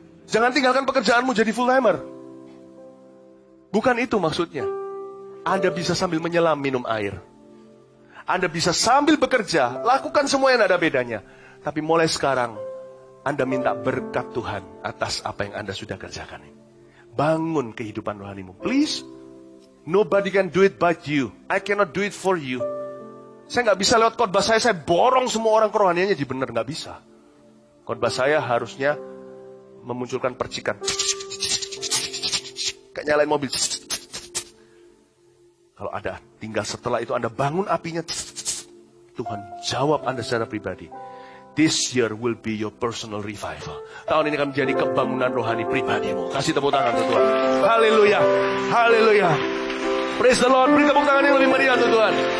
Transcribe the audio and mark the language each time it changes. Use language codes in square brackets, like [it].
[id] Jangan tinggalkan pekerjaanmu jadi full-timer. Bukan itu maksudnya. Anda bisa sambil menyelam minum air. Anda bisa sambil bekerja, lakukan semua yang ada bedanya. Tapi mulai sekarang, Anda minta berkat Tuhan atas apa yang Anda sudah kerjakan. Bangun kehidupan rohanimu. [en] Please, nobody can do it but you. I cannot do it for you. [id] Saya gak bisa lewat khotbah saya borong semua orang kerohaniannya jadi benar. Gak bisa. Khotbah saya harusnya memunculkan percikan. Kayak nyalain mobil. Kalau ada tinggal setelah itu Anda bangun apinya. Tuhan jawab Anda secara pribadi. [en] This year will be your personal revival. [id] Tahun ini akan menjadi kebangunan rohani pribadimu. Kasih tepuk tangan untuk Tuhan. Haleluya. Haleluya. [en] Praise the Lord. [id] Beri tepuk tangan yang lebih meriah untuk Tuhan.